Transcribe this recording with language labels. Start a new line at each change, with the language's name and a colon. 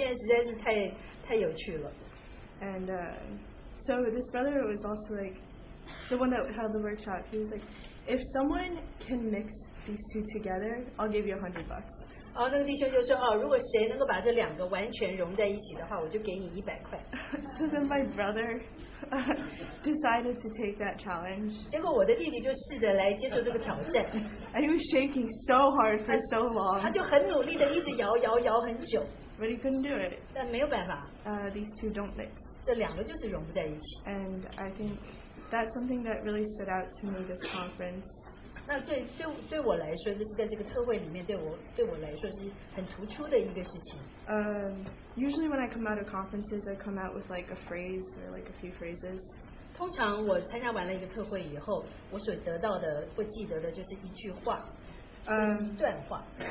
Chinese: 我觉得这个实验实在是太有趣了.
English: And so this brother was also like, the one that held the workshop, he was like, if someone can mix these two together, I'll give you $100.
Chinese: 然后那个弟兄就说，哦，如果谁能够把这两个完全融在一起的话， 我就给你100块.
English: So then my brother decided to take that challenge.
Chinese: 结果我的弟弟就试着来接受这个挑战。
English: And he was shaking so hard for so long.
Chinese: 他就很努力地一直摇很久。
English: But he couldn't do it.
Chinese: 但没有办法。
English: These two don't mix.
Chinese: 这两个就是融不在一起。
English: And I think that's something that really stood out to me this conference.
Chinese: 那对我来说, 就是在这个特会里面, 对我来说是很突出的一个事情。
English: Usually when I come out of conferences, I come out with like a phrase or like a few phrases.
Chinese: 通常我参加完了一个特会以后, 我所得到的, 会记得的就是一句话, 就是一段话。